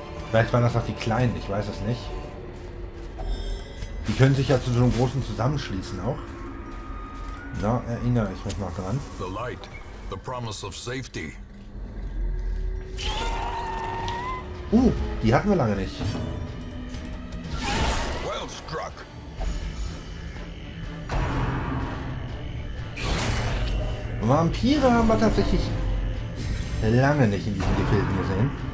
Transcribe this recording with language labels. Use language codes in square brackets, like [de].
[de] Vielleicht waren das auch die Kleinen, ich weiß es nicht. Die können sich ja zu so einem Großen zusammenschließen auch. Da erinnere ich mich noch dran. [en] The light, the promise of safety. [de] Die hatten wir lange nicht. [en] Well struck. [de] Vampire haben wir tatsächlich lange nicht in diesen Gefilden gesehen.